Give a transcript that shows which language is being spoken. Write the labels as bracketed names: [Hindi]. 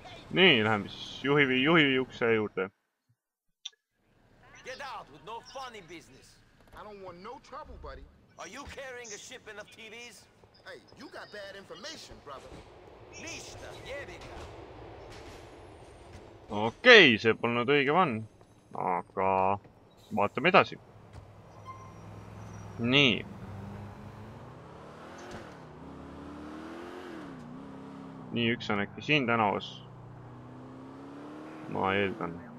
[Estonian] Nii, läheme siis juhi ukse juurde. [English] Get out with no funny business. I don't want no trouble, buddy. Are you carrying a shipment of TVs? Hey, you got bad information, brother. [Serbian] Nista, jebiga. [Estonian] Okei, see polnud õige van. Aga vaatame edasi. Nii. Nii, üks on äkki siin tänavas. Ma eeldan.